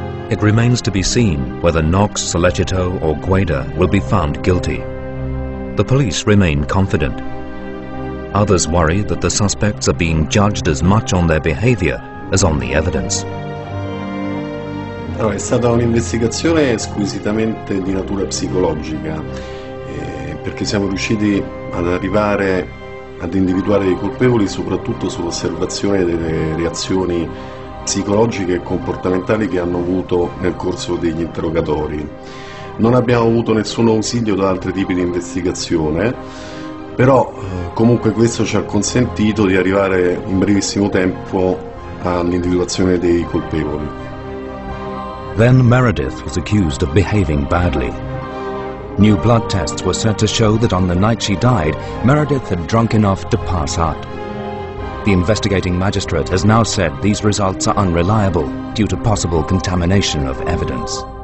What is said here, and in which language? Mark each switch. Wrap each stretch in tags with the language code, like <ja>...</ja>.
<en>It remains to be seen whether Knox, Salecito, or Guaida will be found guilty. The police remain confident. Others worry that the suspects are being judged as much on their behavior as on the evidence.</en> <it>Allora, è stata un'investigazione squisitamente di natura psicologica, perché siamo riusciti ad arrivare ad individuare i colpevoli soprattutto sull'osservazione delle reazioni psicologiche e comportamentali che hanno avuto nel corso degli interrogatori. Non abbiamo avuto nessun ausilio da altri tipi di investigazione, però comunque questo ci ha consentito di arrivare in brevissimo tempo all'individuazione dei colpevoli.</it> <en>Then Meredith was accused of behaving badly. New blood tests were set to show that on the night she died, Meredith had drunk enough to pass out. The investigating magistrate has now said these results are unreliable due to possible contamination of evidence.</en>